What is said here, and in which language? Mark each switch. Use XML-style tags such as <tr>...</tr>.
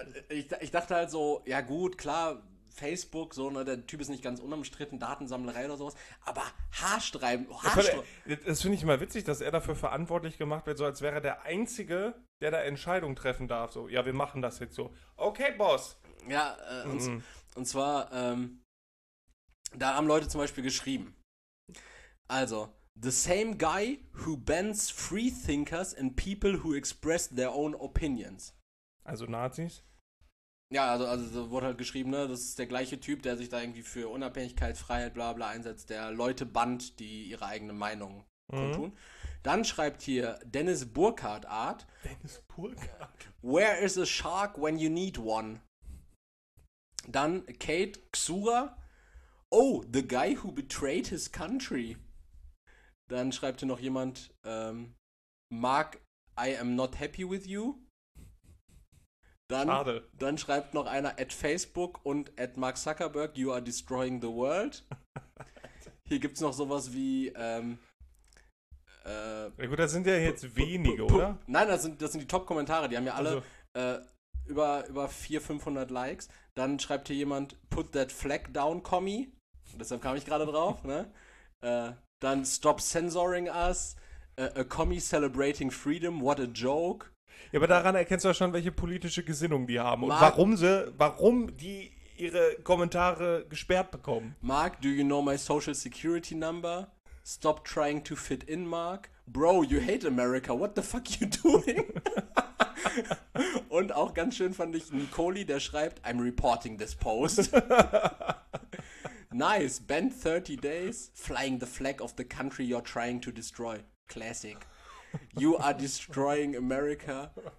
<de>ich dachte halt so, ja gut, klar, Facebook, so, ne, der Typ ist nicht ganz unumstritten, Datensammlerei oder sowas, aber Haarsträuben. Das finde ich immer witzig, dass er dafür verantwortlich gemacht wird, so als wäre er der Einzige, der da Entscheidungen treffen darf. So, ja, wir machen das jetzt so. Okay, Boss. Ja, und zwar, da haben Leute zum Beispiel geschrieben.</de> <en>Also, the same guy who bans free thinkers and people who express their own opinions.</en> <de>Also Nazis? Ja, also wurde halt geschrieben, ne, das ist der gleiche Typ, der sich da irgendwie für Unabhängigkeit, Freiheit, bla bla einsetzt, der Leute bannt, die ihre eigene Meinung kundtun. Dann schreibt hier Dennis Burkhardt Art, Dennis Burkhardt.</de> <en>Where is a shark when you need one?</en> <de>Dann</de> <en>Kate Xura, oh, the guy who betrayed his country.</en> <de>Dann schreibt hier noch jemand,</de> <en>Mark, I am not happy with you.</en> <de>Dann Schade. schreibt noch einer</de> <en>at Facebook</en> <de>und</de> <en>at Mark Zuckerberg, you are destroying the world.</en> <de>Hier gibt es noch sowas wie Ja gut, das sind ja jetzt wenige, oder? nein, das sind die Top-Kommentare, die haben ja alle Also. über 400, 500 Likes. Dann schreibt hier jemand,</de> <en>put that flag down, Kommi.</en> <de>Deshalb kam ich gerade drauf, ne? Dann</de> <en>stop censoring us. A Kommi celebrating freedom, what a joke.</en> <de>Ja, aber daran erkennst du ja schon, welche politische Gesinnung die haben und Mark, warum die ihre Kommentare gesperrt bekommen.</de> <en>Do you know my social security number? Stop trying to fit in, Mark. Bro, you hate America. What the fuck you doing?</en> <de>Und auch ganz schön fand ich Nicoli, der schreibt,</de> <en>I'm reporting this post. Nice, banned 30 days, flying the flag of the country you're trying to destroy. Classic. You are destroying America.</en>